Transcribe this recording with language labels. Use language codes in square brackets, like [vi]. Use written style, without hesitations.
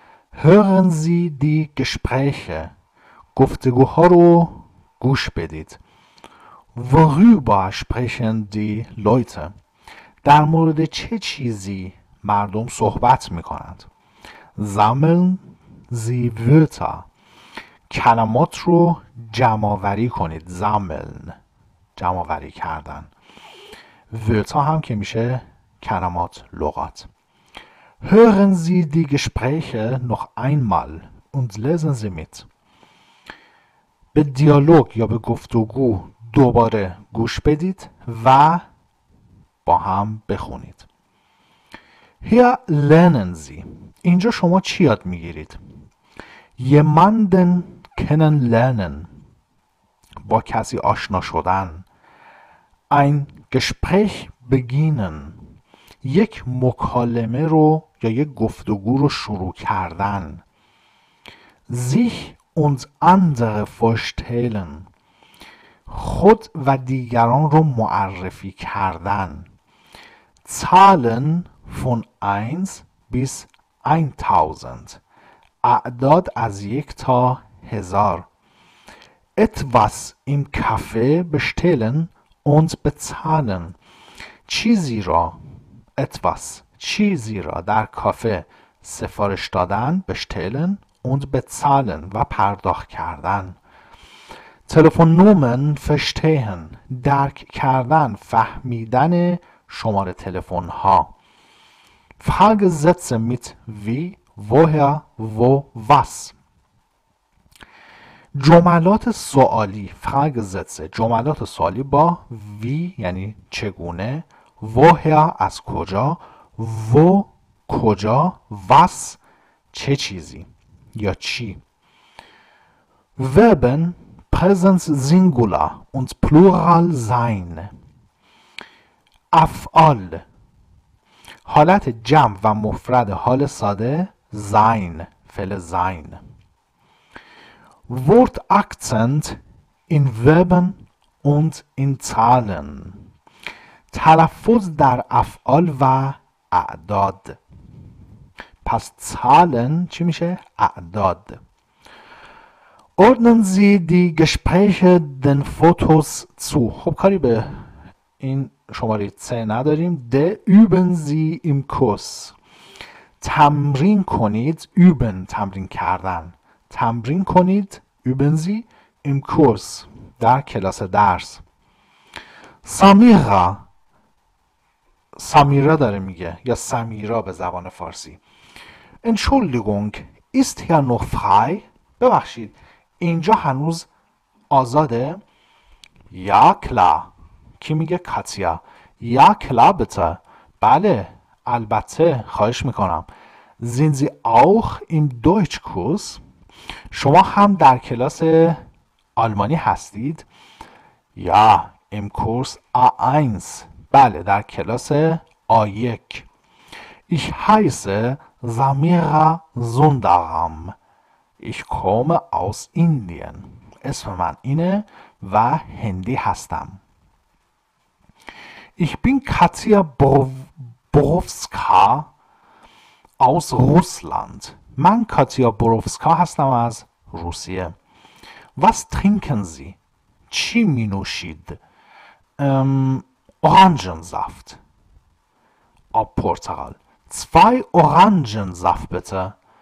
[de] Hören Sie die Gespräche. [fa] گفتگوها رو گوش بدید. [de] Worüber sprechen die Leute? [fa] در مورد چه چیزی مردم صحبت می کنند؟ [de] Sammeln Sie Wörter. [fa] کلمات رو جمع آوری کنید. Sammeln. جمع آوری کردن. Wörter هم که میشه کلمات، لغات. [de] Hören Sie die Gespräche noch einmal und lesen Sie mit. [fa] به دیالوگ یا به گفتگو دوباره گوش بدید و با هم بخونید. [de] Hier lernen Sie. [fa] اینجا شما چی یاد میگیرید؟ [de] Jemanden kennenlernen. [fa] با کسی آشنا شدن. [de] Ein Gespräch beginnen. [fa] یک مکالمه رو یا یک گفتگو رو شروع کردن. [de] sich und andere vorstellen. [fa] خود و دیگران رو معرفی کردن. [de] zahlen von 1 bis 1000. [fa] اعداد از 1 تا 1000. [de] etwas im café bestellen und bezahlen. [fa] چیزی را، etwas، چیزی را در کافه سفارش دادن، [de] bestellen und bezahlen [fa] و پرداخت کردن. تلفن نومن verstehen، درک کردن، فهمیدن شماره تلفن ها. [de] frage setze mit wie, woher, wo, was. [fa] جملات سوالی، frage setze، جملات سوالی با wie یعنی چگونه، woher از کجا، و کجا، was چه چیزی یا چی. [de] verben präsens singular und plural sein. [fa] افعال حالت جمع و مفرد حال ساده sein، فعل sein. [de] word accent in verben und in zahlen. [fa] تلفظ در افعال و اعداد. پس zahlen چی میشه؟ اعداد. [de] ordnen Sie die Gespräche den Fotos zu. [fa] خب کاری به این شماره 3 نداریم. [de] de üben Sie im Kurs. [fa] تمرین کنید، üben تمرین کردن. تمرین کنید، [de] üben Sie im Kurs، [fa] در کلاس درس. Samira، سمیرا داره میگه یا سمیرا به زبان فارسی. [de] Entschuldigung, ist hier noch frei؟ [fa] ببخشید، اینجا هنوز آزاده؟ [de] Ja, klar. [fa] کی میگه؟ کاتیا. [de] Ja, klar bitte. [fa] بله، البته، خواهش میکنم. [de] Sind Sie auch im Deutschkurs؟ [fa] شما هم در کلاس آلمانی هستید؟ [de] Ja, im Kurs A1. [fa] بله، در کلاس A1. [de] Ich heiße Samira Sundaram. Ich komme aus Indien. [fa] اسم من اینه و هندی هستم. [de] Ich bin Katja Borowska aus Russland. [fa] من Katja Borowska هستم از روسیه. [de] Was trinken Sie? [fa] چی می نوشید؟ Orangensaft. [de] Portugal. 2 Orangensaft bitte.